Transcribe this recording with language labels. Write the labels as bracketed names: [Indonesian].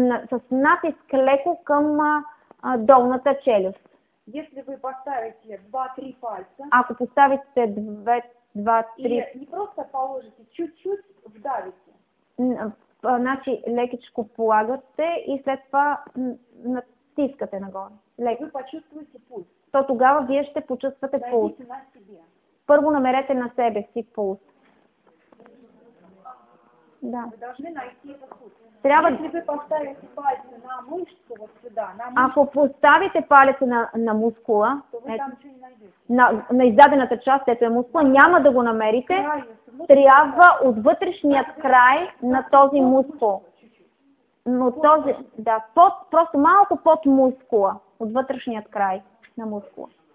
[Bulgarian] С натиск леко към долната челюст. [Russian] Если вы поставите 2-3 пальца... [Bulgarian] Ако поставите 2-3... [Russian] И не просто положите, чуть-чуть вдавите. [Bulgarian] Значи лекичко полагате и след това натискате нагоре. [Russian] Леко. Вы почувствуете пулс. [Bulgarian] То тогава вие ще почувствате пулс. [Russian] Дайте на себе. [Bulgarian] Първо намерете на себе си пулс. Да. [Russian] Вы должны найти этот пулс. [Bulgarian] Трябва... [Russian] Если вы поставите пальцы на мышцу, вот сюда, на мышцу, [Bulgarian] ако поставите палец на мускула, [Russian] то вы там ничего не найдете. [Bulgarian] На издадената част, ето е мускула, няма да го намерите. Трябва от вътрешният край на този мускул. Но този, да, просто малко под мускула, от вътрешният край на мускула.